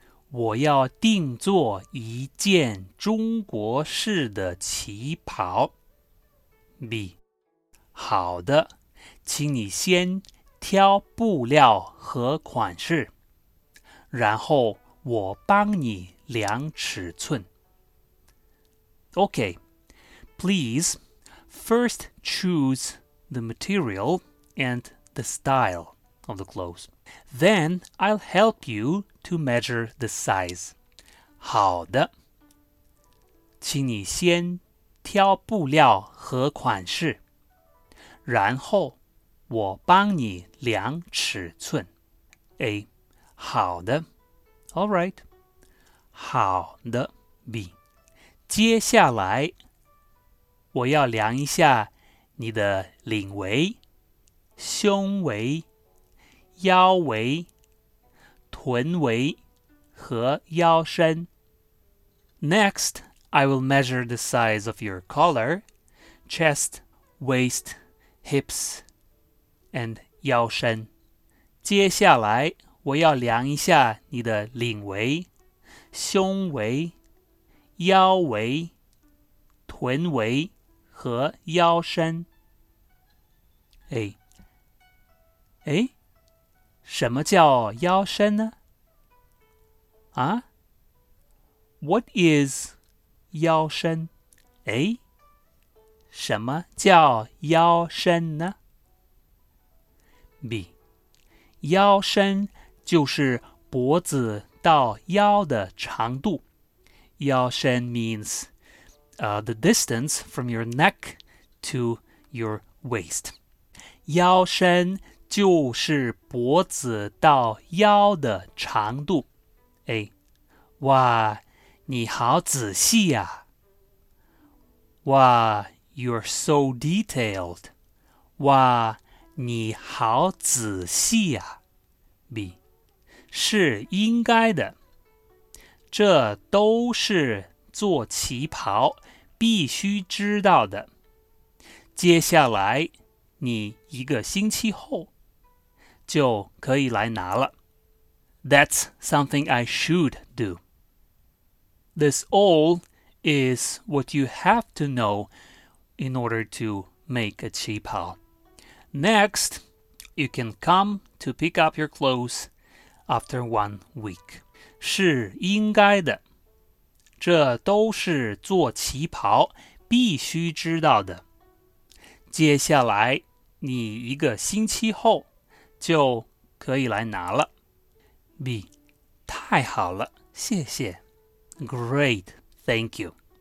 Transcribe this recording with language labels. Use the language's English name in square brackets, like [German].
[Chinese] 我要定做一件中国式的旗袍。 B， 好的，请你先挑布料和款式，然后我帮你量尺寸。 [English] Okay, please first choose the material and the style. Of the clothes. Then I'll help you to measure the size. [Chinese] 好的，请你先挑布料和款式，然后我帮你量尺寸。 A. 好的。 [English] All right. [Chinese] 好的。B. 接下来我要量一下你的领围、胸围、腰围、臀围和腰身。 [English] Next, I will measure the size of your collar, chest, waist, hips, and 腰身。 [Chinese] 接下来，我要量一下你的领围、胸围、腰围、臀围和腰身。哎。什么叫腰身呢？ [English] 啊？What is 腰身？ [Chinese] 哎？什么叫腰身呢？ [English] B. [Chinese] 腰身就是脖子到腰的长度。 [English] 腰身 means the distance from your neck to your waist. [Chinese] 腰身就是脖子到腰的长度。 A. 哇，你好仔细啊。哇， [English] you're so detailed. [Chinese] 哇，你好仔细啊。B. 是应该的。这都是做旗袍必须知道的。接下来你一个星期后就可以来拿了。 [English] That's something I should do. This all is what you have to know in order to make a 旗袍. Next, you can come to pick up your clothes after 1 week. [Chinese] 是应该的。这都是做旗袍必须知道的。接下来你一个星期后就可以来拿了。B. 太好了，谢谢。 [English] Great, thank you.